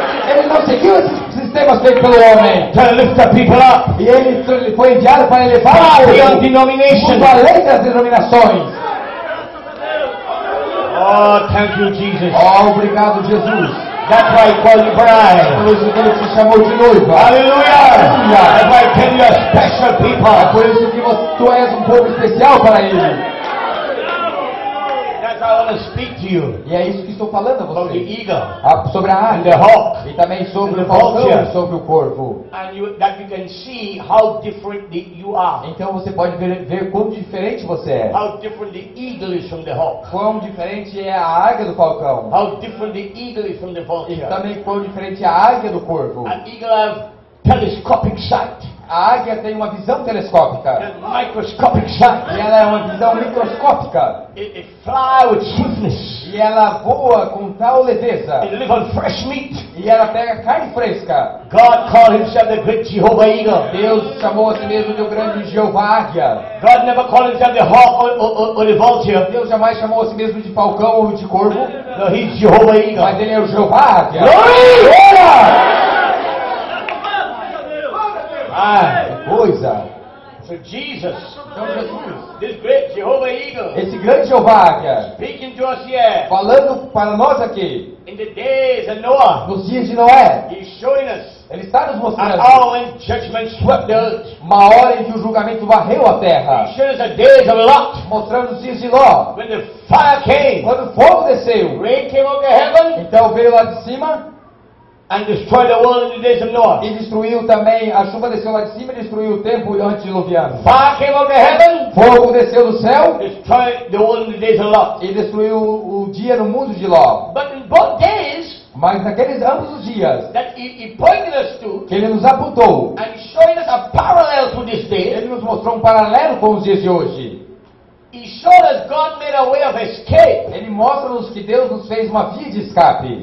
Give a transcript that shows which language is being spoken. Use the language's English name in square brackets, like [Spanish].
[Portuguese] Ele não seguiu esse sistema feito pelo homem. [English] To lift the people up. [Portuguese] E ele foi enviado para elevar o povo. Denomination. Muito além das denominações. [English] Oh, thank you, Jesus. [Portuguese] Oh, obrigado, Jesus. [English] That's why I call you bride. [Portuguese] Por isso que ele te chamou de noiva. Aleluia. [English] That's why I tell you a special people. [Portuguese] É por isso que tu és povo especial para ele. [English] I want to speak to you. [Portuguese] E é isso que estou falando a você. [English] About the eagle, [Portuguese] sobre a águia, [English] the hawk, [Portuguese] e também sobre o falcão, sobre o corvo. [English] And you, that you can see how different the, you are. [Portuguese] Então você pode ver quão diferente você é. [English] How different the eagle is from the hawk. [Portuguese] Quão diferente é a águia do falcão. [English] How different the eagle is from the vulture. [Portuguese] E também quão diferente é a águia do corvo. [English] An eagle have telescopic sight. [Portuguese] A águia tem uma visão telescópica. [English] Microscopic shot. [Portuguese] E ela é uma visão microscópica. [English] It fly with swiftness. [Portuguese] E ela voa com tal leveza. [English] It live on fresh meat. [Portuguese] E ela pega carne fresca. [English] God called himself the great Jehovah Eagle. [Portuguese] Deus chamou a si mesmo de o grande Jeová Águia. [English] God never called himself the hawk or the vulture. [Portuguese] Deus jamais chamou a si mesmo de falcão ou de corvo. [English] No, he's Jehovah Eagle. [Portuguese] Mas ele é o Jeová Águia. Glória! Ah, coisa! [English] So Jesus, [Portuguese] então Jesus, [English] this great Jehovah Eagle, [Portuguese] esse grande Jeová Águia, [English] speaking to us here, [Portuguese] falando para nós aqui, [English] in the days of Noah, [Portuguese] nos dias de Noé, [English] he's showing us, [Portuguese] ele está nos mostrando, [English] an hour when judgment swept the earth, [Portuguese] uma hora em que o julgamento varreu a terra, [English] he's showing us the days of Lot, [Portuguese] mostrando os dias de Ló, [English] when the fire came, [Portuguese] quando o fogo desceu, [English] rain came over heaven, [Portuguese] então veio lá de cima. [English] And destroyed the world in the days of Noah. [Portuguese] E destruiu também, a chuva desceu lá de cima e destruiu o tempo antediluviano. [English] Fire came out of heaven. [Portuguese] Fogo desceu do céu. [English] Destroyed the world in the days of Lot. [Portuguese] E destruiu o dia no mundo de Ló. [English] But in both days. [Portuguese] Mas naqueles ambos os dias. [English] That he pointed us to. [Portuguese] Que ele nos apontou. [English] And showing us a parallel to this day. [Portuguese] Ele nos mostrou um paralelo com os dias de hoje. [English] He showed us God made a way of escape. [Portuguese] Ele mostra-nos que Deus nos fez uma via de escape.